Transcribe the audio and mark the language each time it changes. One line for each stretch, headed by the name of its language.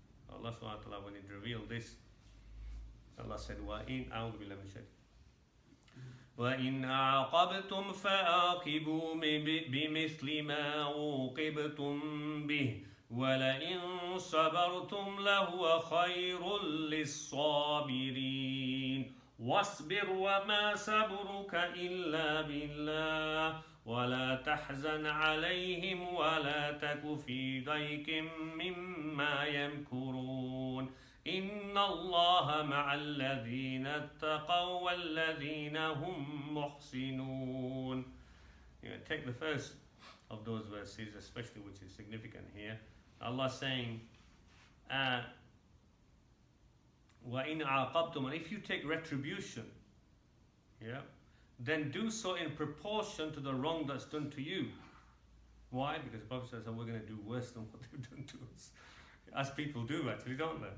English: Allah subhanahu wa ta'ala, when He revealed this, Allah said,
Arabic: وَإِنْ أَعُوذُ بِاللَّهِ مِنَ الشَّيْطَانِ. وَإِنْ عَاقَبْتُمْ فَعَاقِبُوا بِمِثْلِ مَا عُوقِبْتُمْ بِهِ وَلَئِنْ صَبَرْتُمْ لَهُوَ خَيْرٌ لِلصَّابِرِينَ وَاصْبِرْ وَمَا صَبْرُكَ إِلَّا بِاللَّهِ وَلَا تَحْزَنْ عَلَيْهِمْ وَلَا تَكُ فِي ضَيْقٍ مِّمَّا يَمْكُرُونَ إِنَّ اللَّهَ مَعَ الَّذِينَ اتَّقَوْا وَالَّذِينَ هُمْ مُحْسِنُونَ.
English: You know, take the first of those verses, especially which is significant here. Allah saying,
Arabic: وَإِنْ عَاقَبْتُمْ,
English: and if you take retribution, yeah, then do so in proportion to the wrong that's done to you. Why? Because the Prophet says, we're going to do worse than what they've done to us. As people do, actually, don't they?